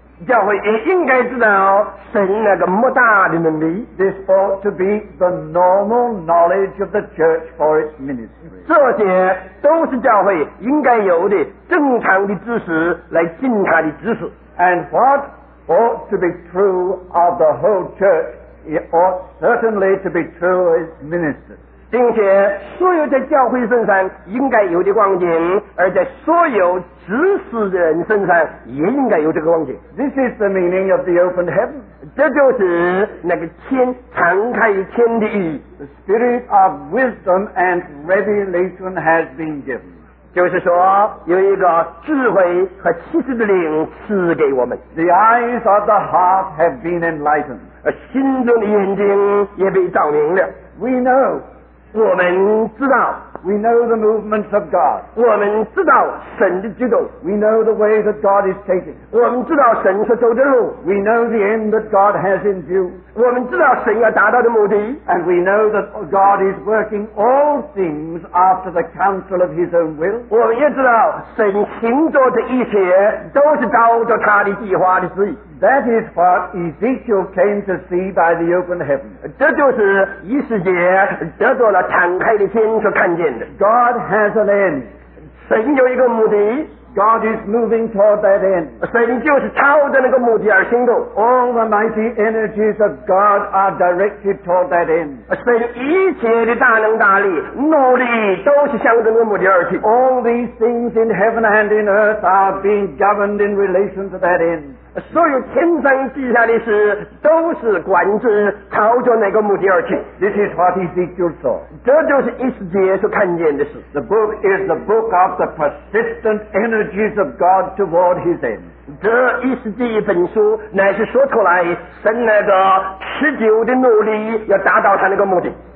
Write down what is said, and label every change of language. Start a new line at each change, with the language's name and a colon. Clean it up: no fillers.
Chinese: 教会也应该知道神那个莫大的能力。
English: This ought to be the normal knowledge of the church for its ministry.
Chinese: 这些都是教会应该有的正常的知识来尽他的职事。
English: And what ought to be true of the whole church? It ought certainly to be true of its ministers.
Chinese: 并且所有在教会身上应该有的光景，而在所有执事的人身上也应该有这个光景。
English: This is the meaning of the open heaven.
Chinese: 这就是那个天，敞开天地。
English: The spirit of wisdom and revelation has been given.
Chinese: 就是说有一个智慧和启示的灵赐给我们。
English: The eyes of the heart have been enlightened.
Chinese: 心中的眼睛也被照明了。
English: We know,
Chinese: 我们知道。
English: We know the movements of God.
Chinese: 我们知道神的举动。
English: We know the way that God is taking.
Chinese: 我们知道神所走的路。
English: We know the end that God has in view.
Chinese: 我们知道神要达到的目的。
English: And we know that God is working all things after the counsel of His own will.
Chinese: 我们也知道神行做的一切都是照着他的计划的旨意。
English: That is what Ezekiel came to see by the open heaven.
Chinese: 这就是以斯帖得到了敞开的天所看见的。
English: God has an end.
Chinese: 神有一个目的。
English: God is moving toward that end.
Chinese: 神就是朝着那个目的而行动。
English: All the mighty energies of God are directed toward that end.
Chinese: 神一切的大能大力、努力都是向着那个目的而去。
English: All these things in heaven and in earth are being governed in relation to that end.
Chinese: 所有天上地下的事都是管制朝着那个目的而去。
English: This is what Ezekiel saw.
Chinese: 这就是以斯帖所看见的事。
English: The book is the book of the persistent energies of God toward his end.
Chinese: 这一世纪一本书乃是说出来神那个持久的努力要达到他那个目的。